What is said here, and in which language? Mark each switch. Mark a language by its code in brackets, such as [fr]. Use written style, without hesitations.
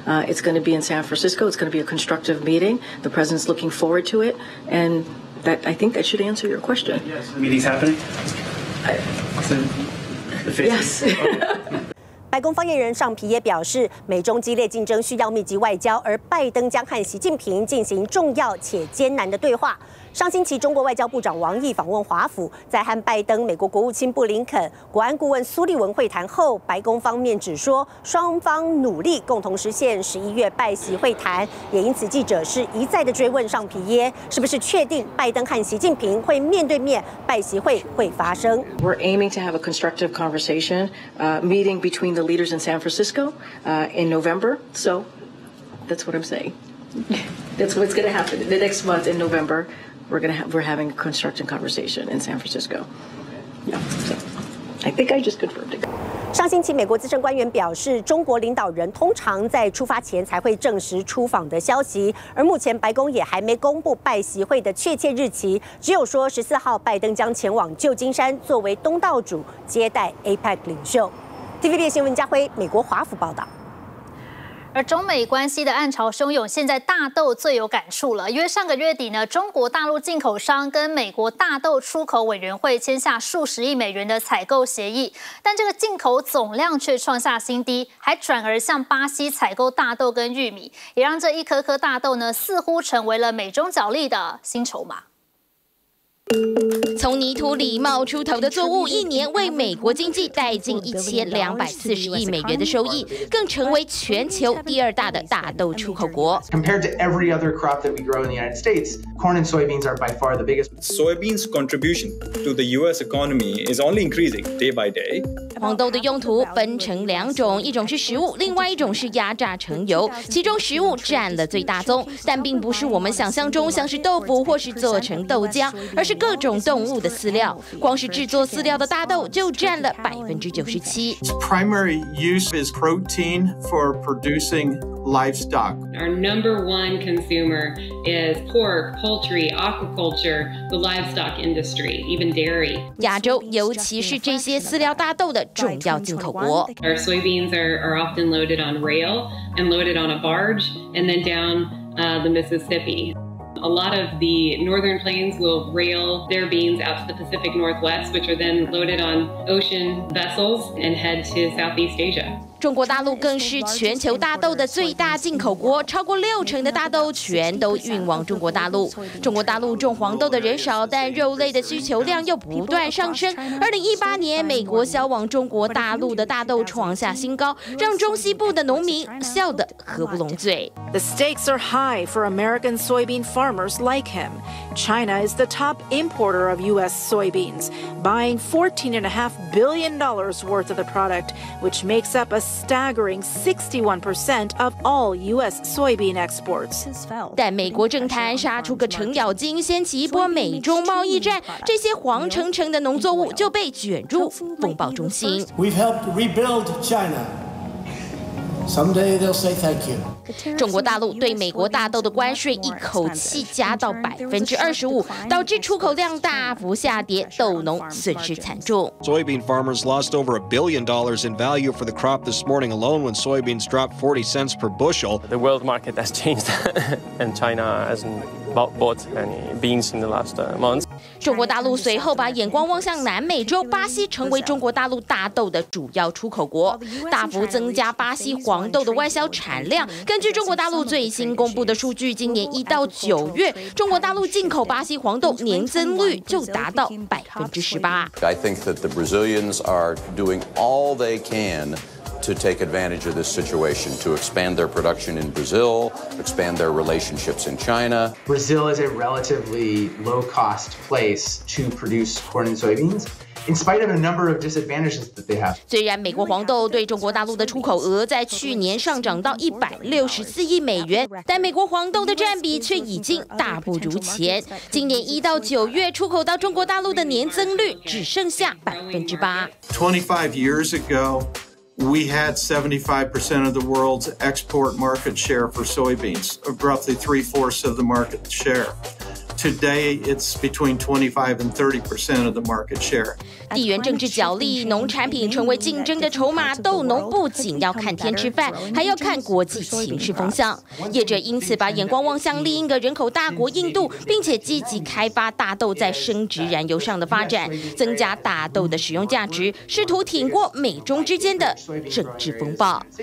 [en] It's going to be in San Francisco. It's going to be a constructive meeting. The president's looking forward to it. And that, I think that should answer your question. Yes, the meeting's happening. Yes. [zh] 白宫发言人尚皮耶表示，美中激烈竞争需要密集外交，而拜登将和习近平进行重要且艰难的对话。上星期，中国外交部长王毅访问华府，在和拜登、美国国务卿布林肯、国安顾问苏利文会谈后，白宫方面指说，双方努力共同实现11月拜习会谈，也因此记者是一再的追问尚皮耶，是不是确定拜登和习近平会面对面拜习会发生 [en] ？We're aiming to have a constructive conversation, meeting between the leaders in San Francisco, in November. So, that's what I'm saying. That's what's going to happen the next month in November. We're having a construction conversation in San Francisco. Yeah, so I think I just confirmed it. [zh] 上星期，美国资深官员表示，中国领导人通常在出发前才会证实出访的消息，而目前白宫也还没公布拜习会的确切日期，只有说14号拜登将前往旧金山作为东道主接待 APEC 领袖。 TVB 新闻，嘉辉，美国华府报道。而中美关系的暗潮汹涌，现在大豆最有感触了，因为上个月底呢，中国大陆进口商跟美国大豆出口委员会签下数十亿美元的采购协议，但这个进口总量却创下新低，还转而向巴西采购大豆跟玉米，也让这一颗颗大豆呢，似乎成为了美中角力的新筹码。从泥土里冒出头的作物，一年为美国经济带进1240亿美元的收益，更成为全球第二大的大豆出口国。 [en] Compared to every other crop that we grow in the United States, corn and soybeans are by far the biggest. Soybeans contribution to the U.S. economy is only increasing day by day. [zh] 黄豆的用途分成两种，一种是食物，另外一种是压榨成油。其中食物占了最大宗，但并不是我们想象中像是豆腐或是做成豆浆，而是各种动物的饲料，光是制作饲料的大豆就占了97%。 [en] Its primary use is protein for producing livestock. Our number one consumer is pork, poultry, aquaculture, the livestock industry, even dairy. [zh] 亚洲，尤其是这些饲料大豆的重要进口国。 [en] Our soybeans are often loaded on rail and loaded on a barge and then down the Mississippi. A lot of the northern plains will rail their beans out to the Pacific Northwest, which are then loaded on ocean vessels and head to Southeast Asia. [zh] 中国大陆更是全球大豆的最大进口国，超过60%的大豆全都运往中国大陆。中国大陆种黄豆的人少，但肉类的需求量又不断上升。 2018年，美国销往中国大陆的大豆创下新高，让中西部的农民笑得合不拢嘴。 [en] The stakes are high for American soybean farmers like him. China is the top importer of U.S. soybeans, buying $14.5 billion worth of the product, which makes up a staggering 61% of all U.S. soybean exports. [zh] 但美国政坛杀出个程咬金，掀起一波美中贸易战，这些黄澄澄的农作物就被卷入风暴中心。 [en] We've helped rebuild China. Someday they'll say thank you. [zh] 中国大陆对美国大豆的关税一口气加到25%，导致出口量大幅下跌，豆农损失惨重。 [en] Soybean farmers lost over $1 billion in value for the crop this morning alone when soybeans dropped 40 cents per bushel. The world market has changed, and China hasn't. Bought any beans in the last months. [zh] 中国大陆随后把眼光望向南美洲，巴西成为中国大陆大豆的主要出口国，大幅增加巴西黄豆的外销产量。根据中国大陆最新公布的数据，今年1到9月，中国大陆进口巴西黄豆年增率就达到18%。 [en] I think that the Brazilians are doing all they can. to take advantage of this situation to expand their production in Brazil, expand their relationships in China. Brazil is a relatively low-cost place to produce corn and soybeans. In spite of a number of disadvantages that they have, [zh] 虽然美国黄豆对中国大陆的出口额在去年上涨到$164亿，但美国黄豆的占比却已经大不如前。今年一到九月出口到中国大陆的年增率只剩下8%。 [en] 25 years ago, we had 75% of the world's export market share for soybeans, roughly 3/4 of the market share. Today, it's between 25 and 30% of the market share. [zh] 地缘政治角力，农产品成为竞争的筹码。豆农不仅要看天吃饭，还要看国际情势风向。业者因此把眼光望向另一个人口大国印度，并且积极开发大豆在生殖燃油上的发展，增加大豆的使用价值，试图挺过美中之间的政治风暴。